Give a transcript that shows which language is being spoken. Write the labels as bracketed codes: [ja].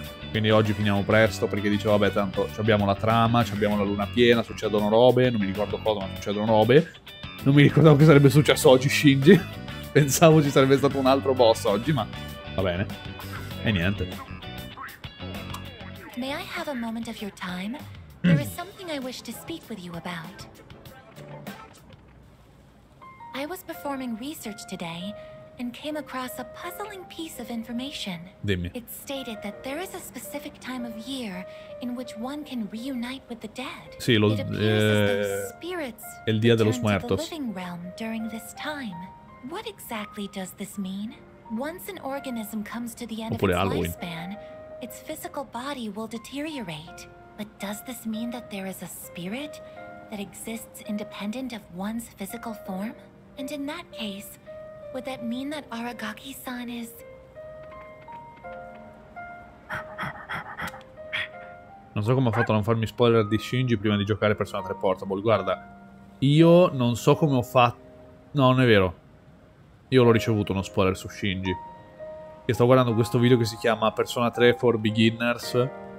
[it] Quindi oggi finiamo presto perché dicevo vabbè tanto abbiamo la trama, abbiamo la luna piena, succedono robe, non mi ricordo cosa ma succedono robe. Non mi ricordavo che sarebbe successo oggi Shinji, pensavo ci sarebbe stato un altro boss oggi ma va bene. E niente. [en] May I have a moment of your time? There is something I wish to speak with you about. I was performing research today. And came across a puzzling piece of information. [it] Dimmi. [en] It stated that there is a specific time of year in which one can reunite with the dead. [it] Sì, lo spirits. È il dia dello smertos. [en] The living realm during this time. What exactly does this mean? Once an organism comes to the end of its lifespan, its physical body will deteriorate. But does this mean that there is a spirit that exists independent of one's physical form? And in that case, would that mean that Aragaki-san is... [it] Non so come ho fatto a non farmi spoiler di Shinji prima di giocare Persona 3 Portable. Guarda, io non so come ho fatto... No, non è vero. Io l'ho ricevuto uno spoiler su Shinji. E sto guardando questo video che si chiama Persona 3 for Beginners.